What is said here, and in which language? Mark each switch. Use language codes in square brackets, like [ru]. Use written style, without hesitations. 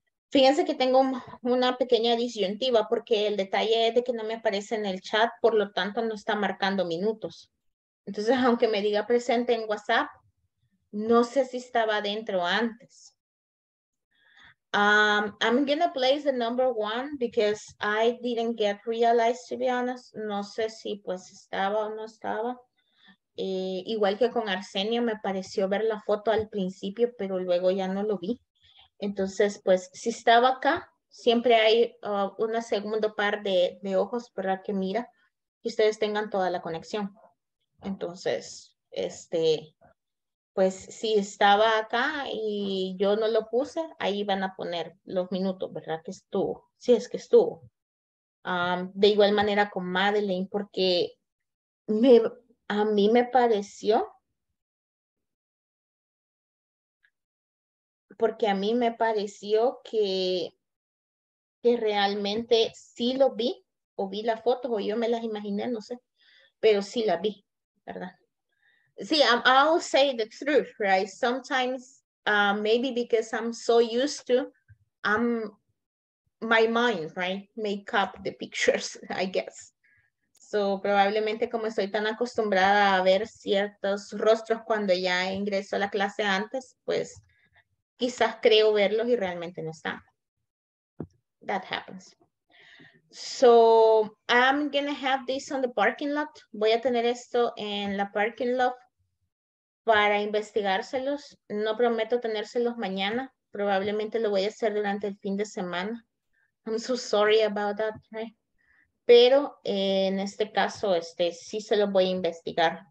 [es] Fíjense que tengo una pequeña disyuntiva porque el detalle es de que no me aparece en el chat, por lo tanto no está marcando minutos. Entonces, aunque me diga presente en WhatsApp, no sé si estaba adentro antes. [en] I'm going to place the number one because I didn't get realized, to be honest. [es] No sé si pues estaba o no estaba. Igual que con Arsenio, me pareció ver la foto al principio, pero luego ya no lo vi. Entonces, pues, si estaba acá, siempre hay una segunda par de ojos para que mira y ustedes tengan toda la conexión. Entonces, pues, si estaba acá y yo no lo puse, ahí van a poner los minutos, ¿verdad? Que estuvo, si es que estuvo. De igual manera con Madeline, porque a mí me pareció, porque a mí me pareció que realmente sí lo vi, o vi las fotos, o yo me las imaginé, no sé, pero sí la vi, ¿verdad? [en] Sí, I'll say the truth, right? Sometimes, maybe because I'm so used to, my mind, right, make up the pictures, I guess. [es] So, probablemente como estoy tan acostumbrada a ver ciertos rostros cuando ya ingreso a la clase antes, pues quizás creo verlos y realmente no están. [en] That happens. So, I'm gonna have this on the parking lot. [es] Voy a tener esto en la parking lot para investigárselos. No prometo tenérselos mañana. Probablemente lo voy a hacer durante el fin de semana. [en] I'm so sorry about that, right? [es] Pero en este caso, sí se lo voy a investigar.